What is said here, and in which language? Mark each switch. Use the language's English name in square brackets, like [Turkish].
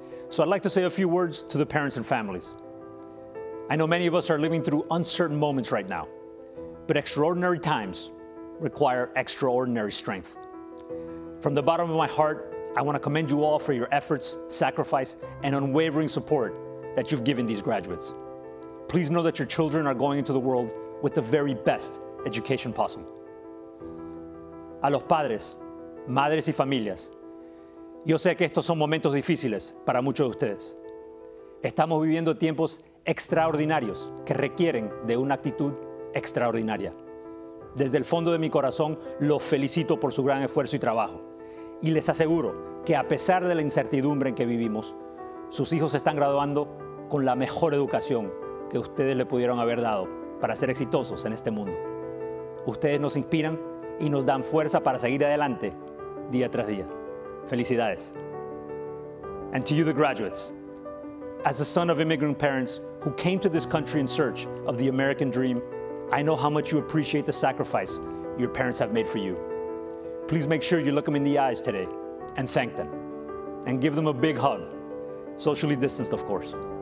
[English] So I'd like to say a few words to the parents and families. I know many of us are living through uncertain moments right now, but extraordinary times require extraordinary strength. From the bottom of my heart, I want to commend you all for your efforts, sacrifice, and unwavering support that you've given these graduates. Please know that your children are going into the world with the very best education possible. [Spanish] A los padres, madres y familias, yo sé que estos son momentos difíciles para muchos de ustedes. Estamos viviendo tiempos extraordinarios que requieren de una actitud extraordinaria. Desde el fondo de mi corazón, los felicito por su gran esfuerzo y trabajo. Y les aseguro que a pesar de la incertidumbre en que vivimos, sus hijos están graduando con la mejor educación que ustedes le pudieron haber dado para ser exitosos en este mundo. Ustedes nos inspiran y nos dan fuerza para seguir adelante día tras día. Felicidades. [English] And to you, the graduates, as a son of immigrant parents who came to this country in search of the American dream, I know how much you appreciate the sacrifice your parents have made for you. Please make sure you look them in the eyes today and thank them and give them a big hug, socially distanced, of course.